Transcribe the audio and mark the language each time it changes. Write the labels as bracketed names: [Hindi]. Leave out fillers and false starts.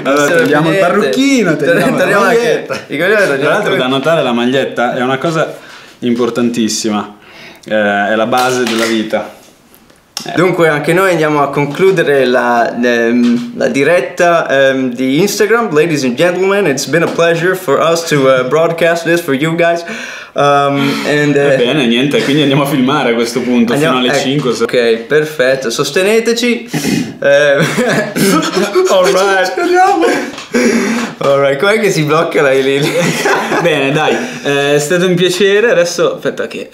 [Italian] allora togliamo il parrucchino, togliamo la maglietta. Tra l'altro, da notare, la maglietta è una cosa importantissima, è la base della vita. Dunque anche noi andiamo a concludere la diretta di Instagram. [English] Ladies and gentlemen, it's been a pleasure for us to broadcast this for you guys. [Italian] Bene, niente, quindi andiamo a filmare a questo punto, andiamo, fino alle 5. So. Ok, perfetto, sosteneteci. [English] Alright. Alright, [Italian] com'è che si blocca la Lily? Bene, dai, è stato un piacere, adesso aspetta che...